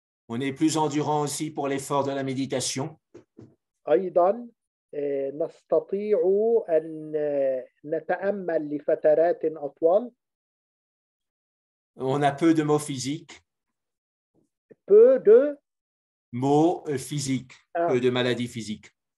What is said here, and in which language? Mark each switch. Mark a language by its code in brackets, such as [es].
[fr] On est plus endurant aussi pour l'effort de la méditation. [ar] أيضا نستطيع أن نتأمل لفترات أطول. [fr] On a peu de mots physiques. Peu de mots physiques, peu de maladies physiques.